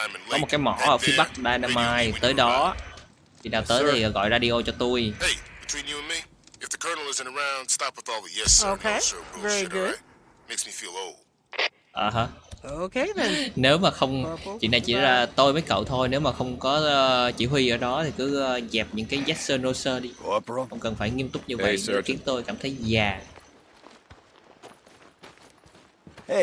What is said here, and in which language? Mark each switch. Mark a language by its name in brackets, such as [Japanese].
[Vietnamese] Có một cái mỏ ở phía bắc Dynamite. Tới đó, khi nào tới thì gọi radio cho tôi. [English] Hey, between you and me, if the colonel isn't around, stop with all the yes sir, okay. No sir bullshit, very good. All right? Makes me feel old. Okay then. [Vietnamese] Nếu mà không, chuyện này chỉ là tôi với cậu thôi. Nếu mà không có chỉ huy ở đó thì cứ dẹp những cái [English] yes sir, no sir [Vietnamese] đi. Không cần phải nghiêm túc như vậy, hey, khiến tôi cảm thấy già. Hey,